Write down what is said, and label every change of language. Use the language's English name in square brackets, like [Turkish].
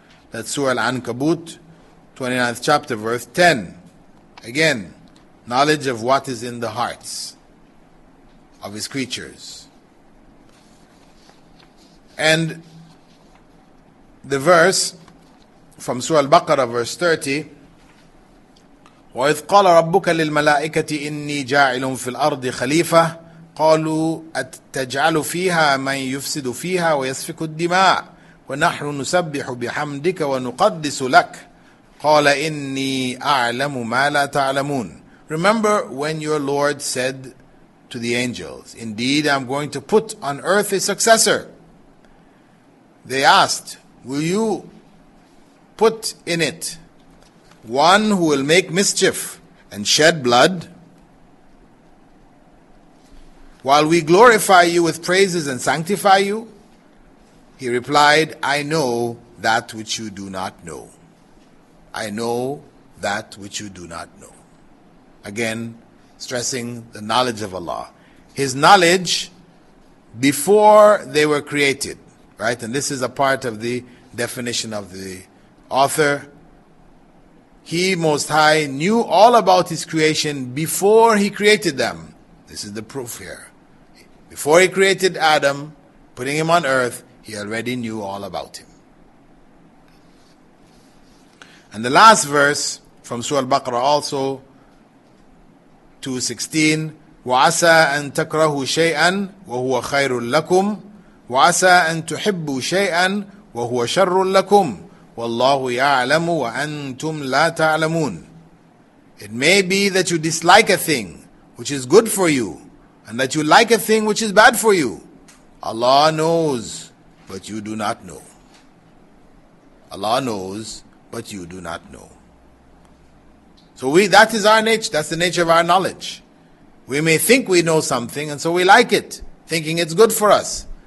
[English] That's Surah Al-Ankabut, 29th chapter, verse 10. Again, knowledge of what is in the hearts of his creatures. And the verse from Surah Al-Baqarah, verse 30, [Arabic] وَإِذْ قَالَ رَبُّكَ لِلْمَلَائِكَةِ إِنِّي جَاعِلٌ فِي الْأَرْضِ خَلِيفَةٌ قَالُوا أَتَجْعَلُ فِيهَا مَنْ يُفْسِدُ فِيهَا وَيَسْفِكُ الدِّمَاءَ وَنَحْنُ نُسَبِّحُ بِحَمْدِكَ وَنُقَدِّسُ لَكَ قَالَ إِنِّي أَعْلَمُ مَا لَا تَعْلَمُونَ. [English] Remember when your Lord said to the angels, indeed I'm going to put on earth a successor. They asked, will you put in it one who will make mischief and shed blood? While we glorify you with praises and sanctify you? He replied, I know that which you do not know. I know that which you do not know. Again, stressing the knowledge of Allah. His knowledge before they were created, right? And this is a part of the definition of the author. He Most High knew all about his creation before he created them. This is the proof here. Before he created Adam, putting him on earth, he already knew all about him. And the last verse from Surah Al-Baqarah also, 2:16, [Arabic] وَعَسَىٰ أَن تَكْرَهُ شَيْئًا وَهُوَ خَيْرٌ لَكُمْ وَعَسَىٰ أَن تُحِبُّ شَيْئًا وَهُوَ شَرٌ لَكُمْ وَاللَّهُ يَعْلَمُ وَأَنْتُمْ لَا تَعْلَمُونَ. [English] It may be that you dislike a thing which is good for you, and that you like a thing which is bad for you. Allah knows, but you do not know. Allah knows, but you do not know. So that is our nature, that's the nature of our knowledge. We may think we know something, and so we like it, thinking it's good for us.